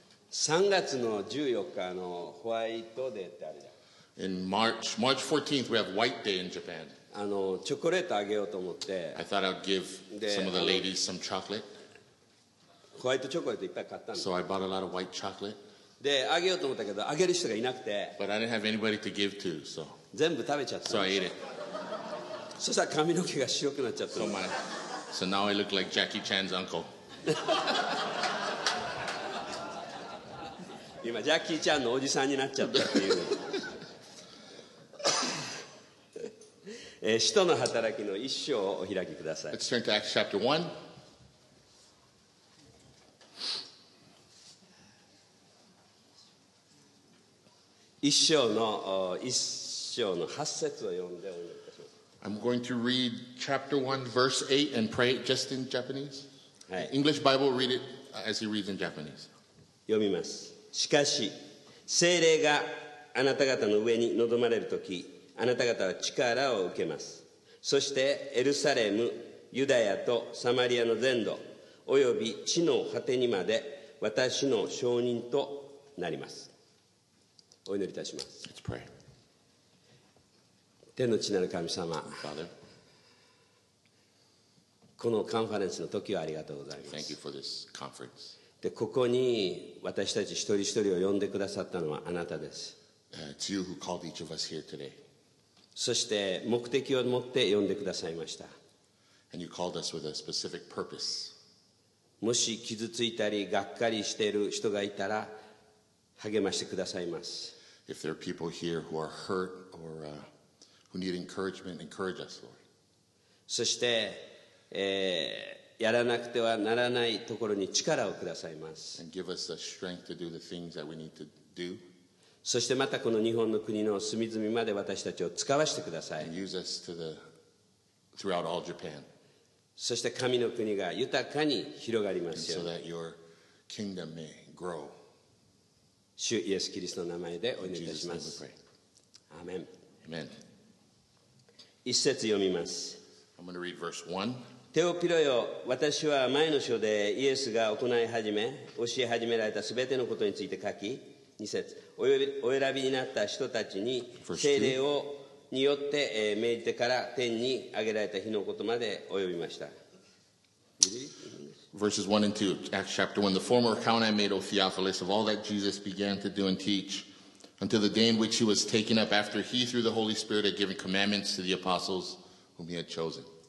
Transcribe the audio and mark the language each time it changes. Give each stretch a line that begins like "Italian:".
Japanese: 3月の14日のホワイトデーってあるじゃん。
English: In March, March 14th, we have White Day in Japan.
Japanese: あの、チョコレートあげようと思って。
English: I thought I'd give some of the ladies some chocolate.
Japanese: ホワイトチョコレートいっぱい買ったんだ。
English: So I bought a lot of white chocolate.
Japanese: であげようと思ったけどあげる人がいなくて
English: But I didn't have anybody to give to, so.
Japanese: 全部食べちゃった
English: So I ate it.
Japanese: そしたら髪の毛が白くなっちゃった
English: So, my, so now I look like Jackie Chan's uncle
Japanese: 今ジャッキーちゃんのおじさんになっちゃったっていう使徒の働きの一章をお開きください
English: Let's turn to Acts chapter 1I'm going to read chapter 1, verse 8 and pray it just in Japanese. English Bible, read it as he reads in Japanese.
Japanese: 読みます。しかし、聖霊があなた方の上に臨まれるとき、あなた方は力を受けます。そして、エルサレム、ユダヤとサマリアの全土、および地の果てにまで私の証人となります。お祈りいたします。
English: Let's pray.
Japanese: 天の父なる神様、
English: Father.
Japanese: このカンファレンスの時をありがとうございます。
English: Thank you for this conference.
Japanese: で、ここに私たち一人一人を呼んでくださったのはあなたです。
English: It's you who called each of us here today.
Japanese: そして目的を持って呼んでくださいました。
English: And you called us with a specific purpose.
Japanese: もし傷ついたりがっかりしている人がいたら、励ましてくださいます。
English: If there are people here who are hurt or who need encouragement, encourage us, Lord.
Japanese: そして、やらなくてはならないところに力をくださいます。
English: And give us the strength to do the things that we need to do.
Japanese: そしてまたこの日本の国の隅々まで私たちを使わせてください。
English: And use us to the, throughout all Japan.
Japanese: そして神の国が豊かに広がりますように。
English: And so that your kingdom may grow.
Japanese: 主イエスキリストの名前でお祈りいたしますアーメン一節読みます
English: I'm going to read verse one.
Japanese: テオピロよ私は前の書でイエスが行い始め教え始められたすべてのことについて書き二節お選びになった人たちに聖霊をによって命じてから天に挙げられた日のことまで及びました
English: Verses 1 and 2, Acts chapter 1. The former account I made, O Theophilus, of all that Jesus began to do and teach, until the day in which he was taken up, after he, through the Holy Spirit, had given commandments to the apostles whom he had chosen.